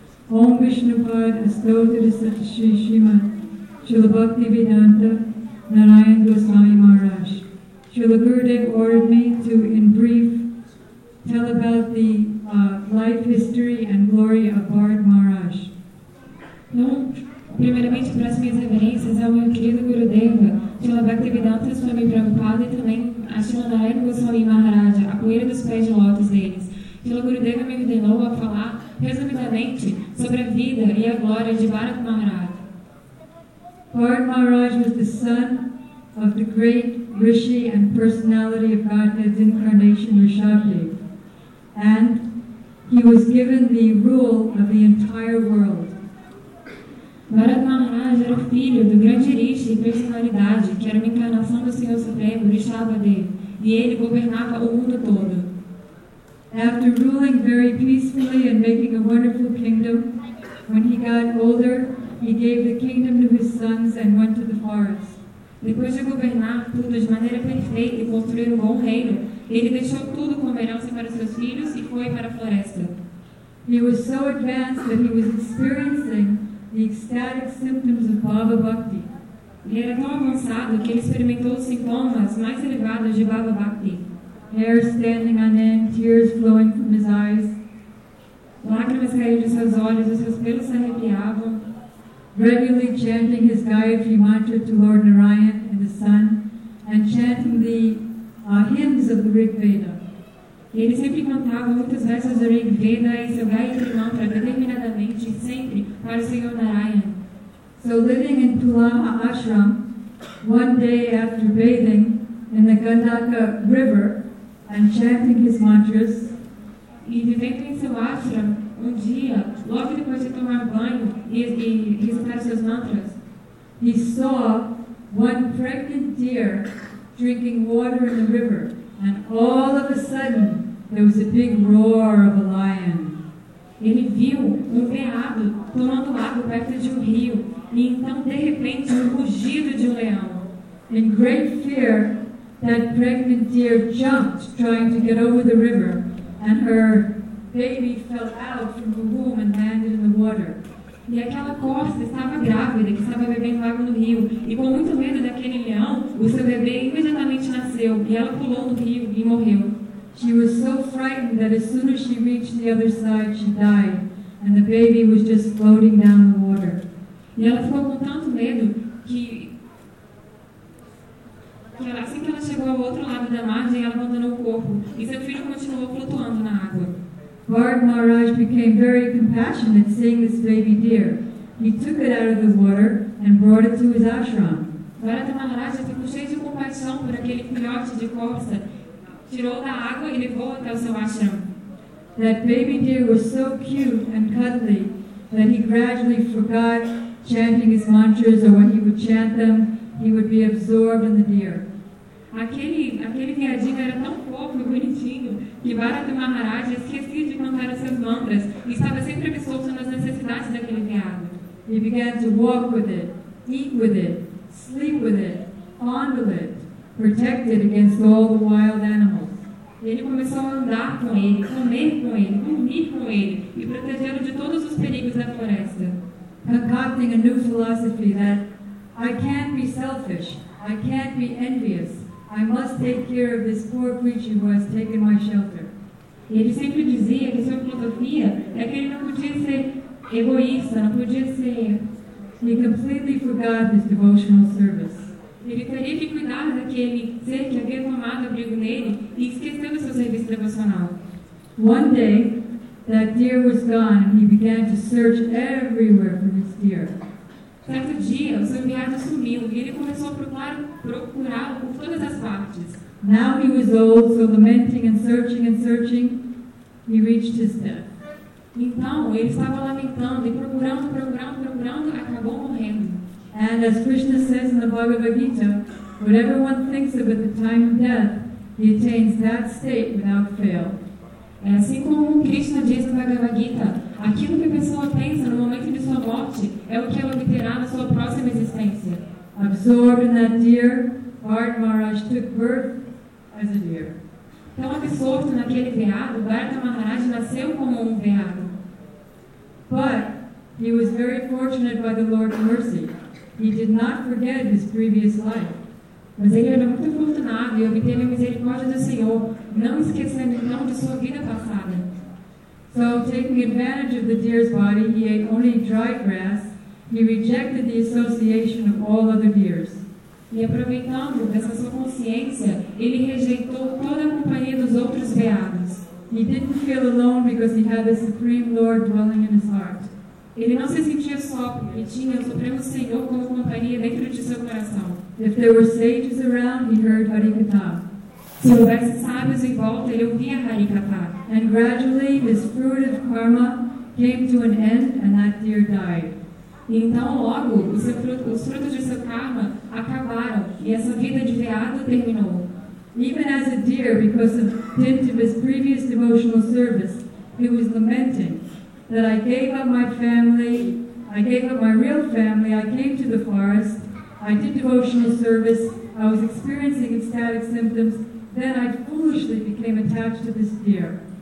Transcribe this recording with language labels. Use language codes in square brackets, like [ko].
[en] Om Vishnupad Astotirasata Shri Shima Srila Bhakti Vedanta Narayan Goswami Maharaj. Srila Gurudev ordered me to, in brief, tell about the life, history, and glory of Bharat Maharaj. [pt] No, primeiramente, para as minhas reverências ao meu querido Gurudev, Srila Bhakti Vedanta Swami Prabhupada e também a Srila Narayana Goswami Maharaja, a poeira dos pés de lótus deles. Srila Gurudev me ordenou a falar resumidamente sobre a vida e a glória de Bharat Maharaj. [en] Bharat Maharaj was the son of the great Rishi and personality of Godhead's incarnation, Rishabhdev. And he was given the rule of the entire world. [pt] Bharat Maharaj era o filho do grande Rishi e personalidade, que era uma encarnação do Senhor Supremo, Rishabhadev, e ele governava o mundo todo. [en] After ruling very peacefully and making a wonderful kingdom, when he got older, he gave the kingdom to his sons and went to the forest. [pt] Depois de governar tudo de maneira perfeita e construir um bom reino, ele deixou tudo como herança para seus filhos e foi para a floresta. [en] He was so advanced that he was experiencing the ecstatic symptoms of Bhava Bhakti. [pt] Ele era tão avançado que ele experimentou os sintomas mais elevados de Bhava Bhakti. [en] Hair standing on end, tears flowing from his eyes. [pt] Lágrimas caíam de seus olhos e seus pelos se arrepiavam. [en] Regularly chanting his Gayatri mantra to Lord Narayan in the sun and chanting the hymns of the Rig Veda. [pt] Ele sempre cantava muitas versos do Rig Veda e seu Gayatri mantra determinadamente sempre para o Senhor Narayan. [en] So living in Tulama Ashram, one day after bathing in the Gandaka River and chanting his mantras, [pt] e vivendo em seu ashram, um dia, logo depois de tomar banho e recitar seus mantras, [en] he saw one pregnant deer drinking water in the river, and all of a sudden, there was a big roar of a lion. [pt] Ele viu um veado tomando água perto de um rio, e então, de repente, um rugido de um leão. [en] In great fear, that pregnant deer jumped, trying to get over the river, and her baby fell out from the womb and landed in the water. [pt] E aquela corça estava grávida, que estava bebendo água no rio, e com muito medo daquele leão, o seu bebê imediatamente nasceu, e ela pulou no rio e morreu. [en] She was so frightened that as soon as she reached the other side, she died, and the baby was just floating down the water. [pt] E ela ficou com tanto medo que assim que ela chegou ao outro lado da margem, ela abandonou o corpo, e seu filho continuou flutuando na água. [en] Bharat Maharaj became very compassionate seeing this baby deer. He took it out of the water and brought it to his ashram. [pt] Bharat Maharaj ficou cheio de compaixão por aquele filhote de corça, tirou da água e levou até o seu ashram. [en] That baby deer was so cute and cuddly that he gradually forgot chanting his mantras or when he would chant them, he would be absorbed in the deer. [pt] Aquele viadinho era tão fofo e bonitinho que Bharat Maharaj esquecia de cantar os seus mantras e estava sempre absorto nas necessidades daquele viado. [en] He began to walk with it, eat with it, sleep with it, fondle it, protect it against all the wild animals. [pt] Ele começou a andar com ele, comer com ele, dormir com ele e protegê-lo de todos os perigos da floresta. [en] Concocting a new philosophy that I can't be selfish, I can't be envious, I must take care of this poor creature who has taken my shelter. [pt] Ele sempre dizia que sua filosofia é que ele não podia ser egoísta, não podia ser... [en] He completely forgot his devotional service. [pt] Ele teria que cuidar daquele ser que havia tomado abrigo nele e esqueceu do seu serviço devocional. [en] One day, that deer was gone and he began to search everywhere for his deer. [pt] Certo dia, o seu viado sumiu e ele começou a procurá-lo por todas as partes. [en] Now he was old, so lamenting and searching and searching, he reached his death. [pt] Então, ele estava lamentando e procurando, procurando, procurando, acabou morrendo. [en] And as Krishna says in the Bhagavad Gita, whatever one thinks of at the time of death, he attains that state without fail. [pt] É assim como Krishna diz na Bhagavad Gita, aquilo que a pessoa pensa no momento de sua morte é o que ela obterá na sua próxima existência. [en] Absorbed in that deer, Bharat Maharaj took birth as a deer. [pt] Tão absorto naquele veado, Bharat Maharaj nasceu como um veado. [en] But he was very fortunate by the Lord's mercy. He did not forget his previous life. [pt] Mas ele era muito afortunado e obteve a misericórdia do Senhor, não esquecendo então de sua vida passada. [en] So, taking advantage of the deer's body, he ate only dry grass. He rejected the association of all other deers. [pt] E aproveitando dessa sua consciência, ele rejeitou toda a companhia dos outros veados. [en] He didn't feel alone because he had the Supreme Lord dwelling in his heart. [pt] Ele não se sentia só porque tinha o Supremo Senhor como companhia dentro de seu coração. [en] If there were sages around, he heard Harikatha. [pt] Se houvesse sábios em volta, ele ouvia Harikatha. [en] And gradually, this fruit of karma came to an end, and that deer died. [pt] E então, logo, os frutos de seu karma acabaram, e essa vida de veado terminou. [en] Even as a deer, because of the hint of his previous devotional service, he was lamenting that I gave up my family, I gave up my real family, I came to the forest, I did devotional service, I was experiencing ecstatic symptoms, then I foolishly became attached to this deer.